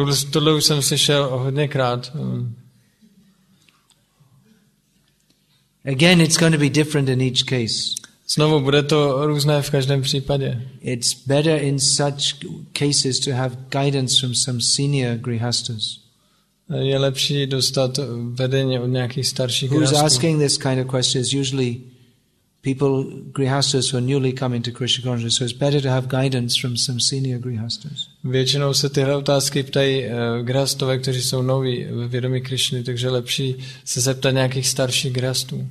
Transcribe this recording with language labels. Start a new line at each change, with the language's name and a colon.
Czech: Tohle už jsem slyšel hodněkrát.
English: Again, it's going to be different in each case.
Czech: Znovu, bude to různé v každém případě.
English: It's better in such cases to have guidance from some senior grihasthas.
Czech: Je lepší dostat vedení od nějakých starších grihasthů.
English: Who's asking this kind of question is usually people grihasthas who are newly coming to Krishna consciousness. So it's better to have guidance from some senior grihasthas.
Czech: Většinou se tyhle otázky ptají grihasthové, kteří jsou noví ve vědomí Krišny, takže lepší se zeptat nějakých starších grihasthů.